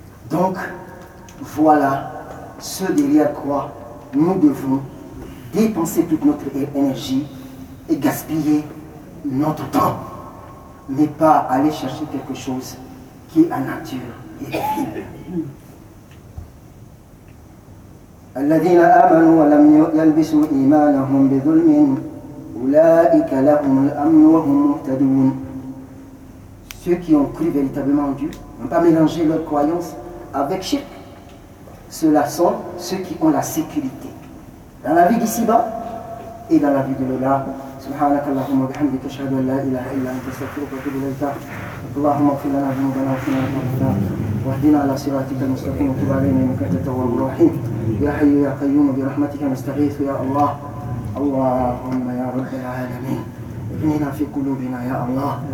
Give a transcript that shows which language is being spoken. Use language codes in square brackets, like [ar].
[fr] Donc, voilà ce derrière quoi nous devons dépenser toute notre énergie et gaspiller notre temps. Mais pas aller chercher quelque chose qui est en nature et vide. [ar] الذين آمنوا ولم يلبسوا إيمانهم بظلم أولئك لهم الأمن وهم مهتدون. [fr] Ceux qui ont cru véritablement en Dieu n'ont pas mélangé leur croyance avec shirk. Ceux-là sont ceux qui ont la sécurité dans la vie d'ici-bas et dans la vie de l'au-delà. [ar] سبحانك اللهم وبحمدك اشهد ان لا اله الا انت استغفرك واتوب اليك اللهم اغفر لنا ذنوبنا واغفر لنا ذنوبنا واهدنا على صراطك المستقيم وتب علينا انك انت التواب الرحيم يا حي يا قيوم برحمتك نستغيث يا الله اللهم يا رب العالمين اغننا في قلوبنا يا الله